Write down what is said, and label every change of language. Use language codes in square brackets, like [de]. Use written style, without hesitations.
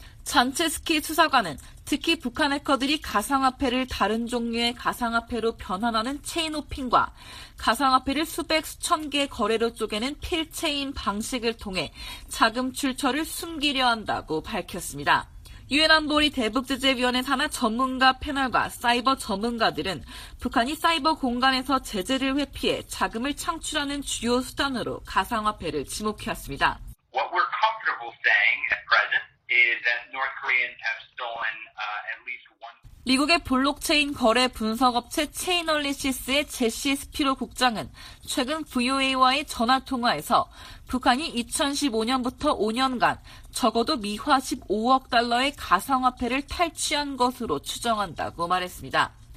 [ko] 잔체스키 수사관은 특히 북한 해커들이 가상화폐를 다른 종류의 가상화폐로 변환하는 체인호핑과 가상화폐를 수백 수천 개의 거래로 쪼개는 필체인 방식을 통해 자금 출처를 숨기려 한다고 밝혔습니다. 유엔 안보리 대북제재위원회 산하 전문가 패널과 사이버 전문가들은 북한이 사이버 공간에서 제재를 회피해 자금을 창출하는 주요 수단으로 가상화폐를 지목해왔습니다. [en] What we're comfortable saying at present is that North Koreans have stolen at least [ko] 미국의 블록체인 거래 분석업체 체인얼리시스의 제시 스피로 국장은 최근 VOA와의 전화통화에서 북한이 2015년부터 5년간 적어도 미화 15억 달러의 가상화폐를 탈취한 것으로 추정한다고 말했습니다.